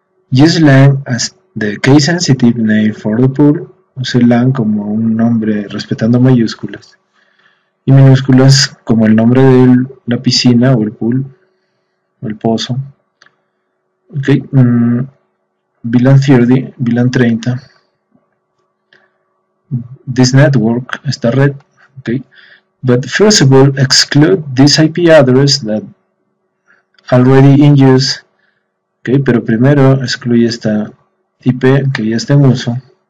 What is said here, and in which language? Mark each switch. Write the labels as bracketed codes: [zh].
[en] Use LAN as the case sensitive name for the pool. [es] Use LAN como un nombre respetando mayúsculas y minúsculas como el nombre de la piscina o el pool o el pozo. [en] Okay. VLAN 30, VLAN 30. This network, [es] esta red, [en] okay. But first of all, exclude this IP address that already in use, okay. [es] Pero primero excluye esta IP que ya está en uso.